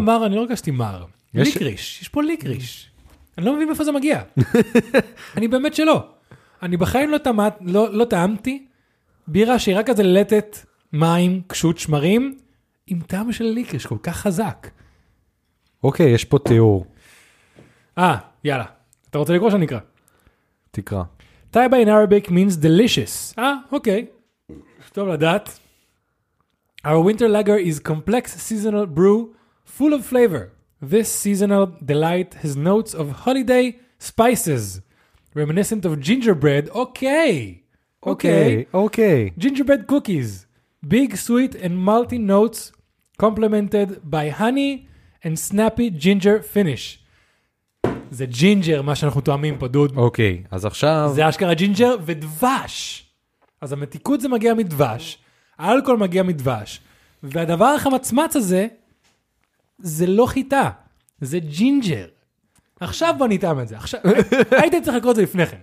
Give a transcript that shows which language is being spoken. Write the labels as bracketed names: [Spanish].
[Hebrew] דווקא מר, אני לא רגשתי מר. ליקריש, יש פה ליקריש. אני לא מבין איפה זה מגיע. אני באמת שלא. אני בחיים לא טעמתי בירה שהיא רק כזה לטת מים, קשות שמרים, עם טעם של ליקריש, כל כך חזק. אוקיי, יש פה תיאור. יאללה. אתה רוצה לקרוא שאני אקרא? תקרא. [English] Taiba in Arabic means delicious. Okay. [Hebrew] טוב לדעת. [English] Our winter lager is complex seasonal brew full of flavor. This seasonal delight has notes of holiday spices reminiscent of gingerbread. Okay. Okay. Okay. Gingerbread cookies. Big, sweet and malty notes complemented by honey and snappy ginger finish. [Hebrew] זה ג'ינג'ר, מה שאנחנו טועמים פה, דוד. אוקיי, אז עכשיו... זה אשכרה ג'ינג'ר ודבש. אז המתיקות זה מגיע מדבש, האלכוהול מגיע מדבש, והדבר החמצמץ הזה, זה לא חיטה, זה ג'ינג'ר. עכשיו בוא נטעם את זה, עכשיו... הייתם צריך לקרוא את זה לפני כן.